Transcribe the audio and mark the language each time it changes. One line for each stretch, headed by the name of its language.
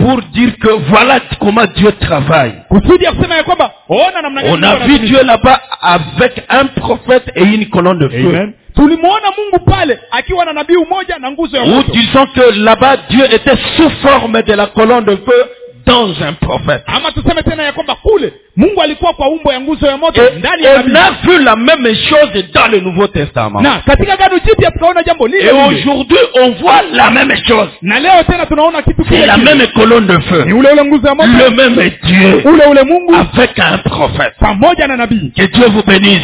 French: Pour dire que voilà comment Dieu travaille.
Swahili: Kusudi akusema kwamba ona namna gani.
French: On a vu Dieu là-bas avec un prophète et une colonne de feu.
Swahili: Amen. Tulimuona Mungu pale akiwa na nabii mmoja na nguzo ya moto.
French: Ou disons que là-bas Dieu était sous forme de la colonne de feu dans un prophète.
Swahili: Ama tuseme tena ya kwamba kule Mungu alikuwa kwa umbo ya nguzo ya moto ndani ya nabii.
French: On a vu la même chose dans le Nouveau Testament.
Swahili: Na katika agano jipya tunaona jambo lile.
French: Et aujourd'hui on voit la même chose.
Swahili: Na leo tena tunaona kitu kile.
French: C'est la même colonne de feu.
Swahili: Ni ule ule nguzo ya moto.
French: Le même Dieu.
Swahili: Ule ule Mungu.
French: Avec un prophète.
Swahili: Pamoja na nabii.
French: Que Dieu vous bénisse.